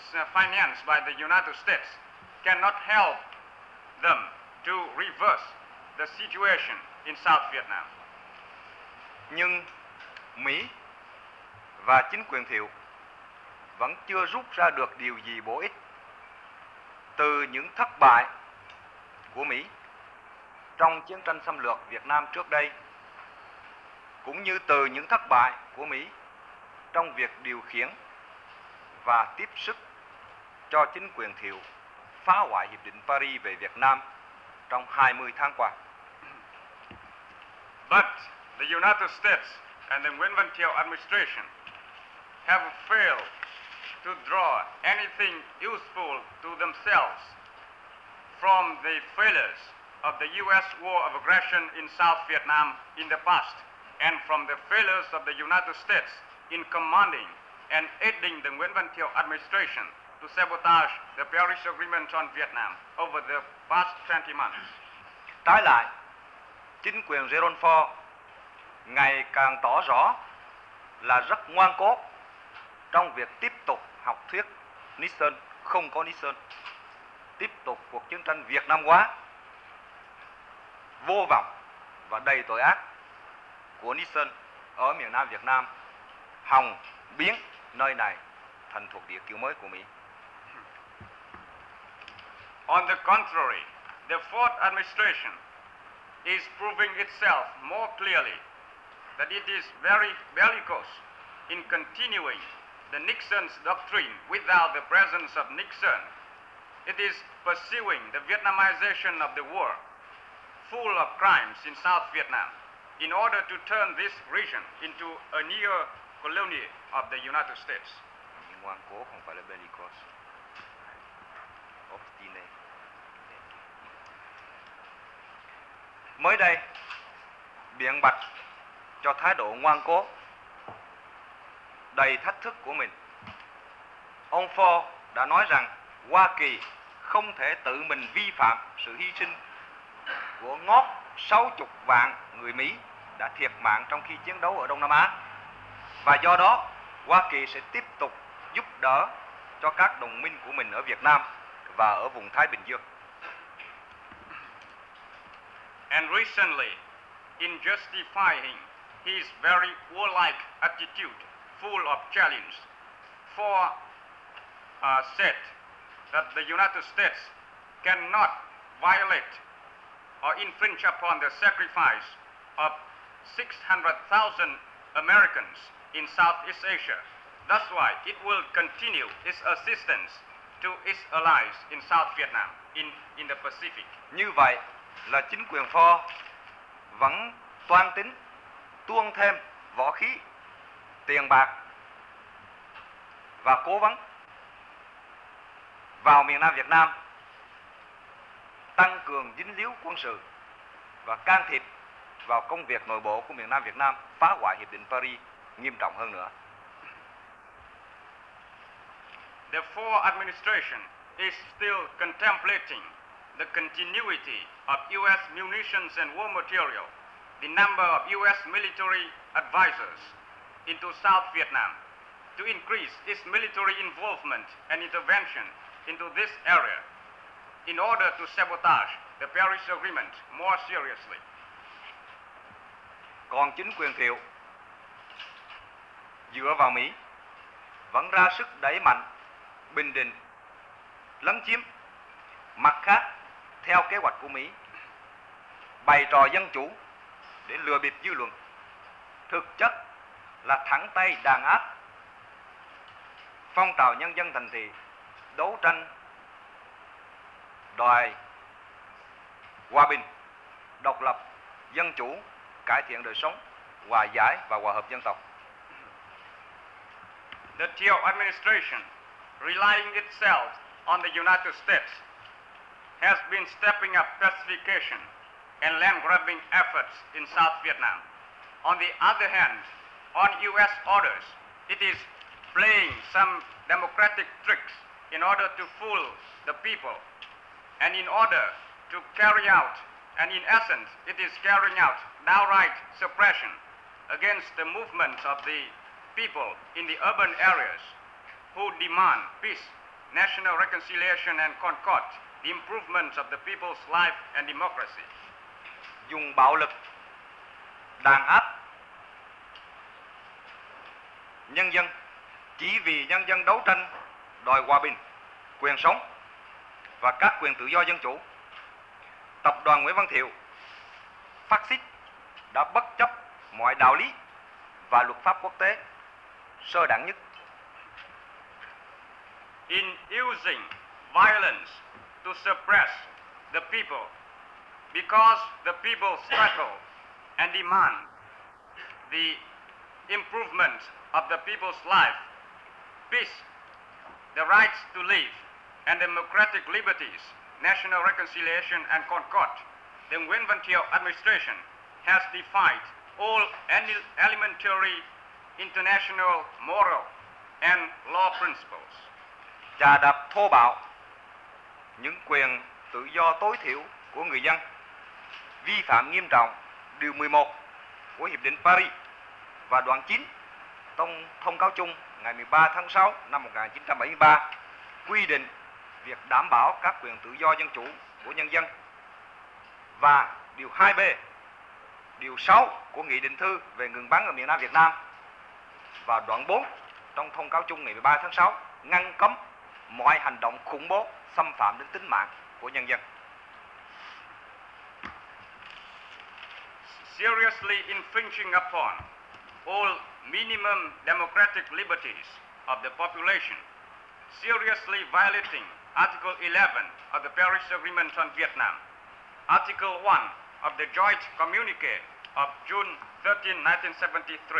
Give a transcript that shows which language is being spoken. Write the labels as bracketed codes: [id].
[en] financed by the United States, cannot help them to reverse the situation in South Vietnam. [vi] Nhưng Mỹ và chính quyền Thiệu vẫn chưa rút ra được điều gì bổ ích từ những thất bại của Mỹ trong chiến tranh xâm lược Việt Nam trước đây, cũng như từ những thất bại của Mỹ trong việc điều khiển và tiếp sức cho chính quyền Thiệu phá hoại Hiệp định Paris về Việt Nam trong 20 tháng qua. [en] But the United States and the Nguyễn Văn Thiệu administration have failed to draw anything useful to themselves from the failures of the U.S. war of aggression in South Vietnam in the past and from the failures of the United States in commanding and aiding the Nguyễn Văn Thiệu administration to sabotage the Paris Agreement on Vietnam over the past 20 months. [vi] Trái lại, chính quyền Gerald Ford ngày càng tỏ rõ là rất ngoan cố trong việc tiếp tục học thuyết Nixon không có Nixon, tiếp tục cuộc chiến tranh Việt Nam hóa vô vọng và đầy tội ác của Nixon ở miền Nam Việt Nam, hòng biến nơi này thành thuộc địa kiểu mới của Mỹ. [en] On the contrary, the Ford administration is proving itself more clearly that it is very bellicose in continuing the Nixon's doctrine without the presence of Nixon. It is pursuing the Vietnamization of the war full of crimes in South Vietnam in order to turn this region into a neo-colony of the United States. [vi] Ngoan cố không phải là bellicose. Obstinate. Mới đây, biện bạch cho thái độ ngoan cố đầy thách thức của mình, ông Ford đã nói rằng Hoa Kỳ không thể tự mình vi phạm sự hy sinh của ngót 60 vạn người Mỹ đã thiệt mạng trong khi chiến đấu ở Đông Nam Á. Và do đó, Hoa Kỳ sẽ tiếp tục giúp đỡ cho các đồng minh của mình ở Việt Nam và ở vùng Thái Bình Dương. [en] And recently, in justifying his very warlike attitude, full of challenge, Ford said that the United States cannot violate or infringe upon the sacrifice of 600,000 Americans in Southeast Asia. That's why it will continue its assistance to its allies in South Vietnam, in the Pacific. [vi] Như vậy là chính quyền Ford vẫn toan tính tuôn thêm vũ khí, tiền bạc và cố vấn vào miền Nam Việt Nam, tăng cường dính líu quân sự và can thiệp vào công việc nội bộ của miền Nam Việt Nam, phá hoại Hiệp định Paris nghiêm trọng hơn nữa. [en] The Ford administration is still contemplating the continuity of U.S. munitions and war material, the number of U.S. military advisors into South Vietnam to increase its military involvement and intervention into this area in order to sabotage the Paris Agreement more seriously. [vi] Còn chính quyền Thiệu dựa vào Mỹ vẫn ra sức đẩy mạnh bình định, lấn chiếm. Mặt khác, theo kế hoạch của Mỹ, bày trò dân chủ để lừa bịp dư luận, thực chất là thẳng tay đàn áp phong trào nhân dân thành thị đấu tranh đòi hòa bình, độc lập, dân chủ, cải thiện đời sống, hòa giải và hòa hợp dân tộc. [en] The Thiệu administration, relying itself on the United States, has been stepping up pacification and land grabbing efforts in South Vietnam. On the other hand, on U.S. orders, it is playing some democratic tricks in order to fool the people and in order to carry out, and in essence, it is carrying out downright suppression against the movements of the people in the urban areas who demand peace, national reconciliation and concord, the improvement of the people's life and democracy. [vi] Dùng bạo lực đàn áp nhân dân chỉ vì nhân dân đấu tranh đòi hòa bình, quyền sống và các quyền tự do dân chủ. Tập đoàn Nguyễn Văn Thiệu, phát xít, đã bất chấp mọi đạo lý và luật pháp quốc tế sơ đẳng nhất. [en] In using violence to suppress the people because the people struggle and demand the improvement of the people's life, peace, the rights to live, and democratic liberties, national reconciliation and concord, the Nguyễn Văn Thiệu administration has defied all elementary international moral and law principles. [vi] Chà đạp thô bạo những quyền tự do tối thiểu của người dân, vi phạm nghiêm trọng điều 11 của Hiệp định Paris và đoạn 9 thông cáo chung ngày 13 tháng 6 năm 1973 quy định việc đảm bảo các quyền tự do dân chủ của nhân dân và điều 2B, điều 6 của nghị định thư về ngừng bắn ở miền Nam Việt Nam và đoạn 4 trong thông cáo chung ngày 13 tháng 6 ngăn cấm mọi hành động khủng bố xâm phạm đến tính mạng của nhân dân. [en] Seriously infringing upon all minimum democratic liberties of the population, seriously violating Article 11 of the Paris Agreement on Vietnam, Article 1 of the Joint Communique of June 13, 1973,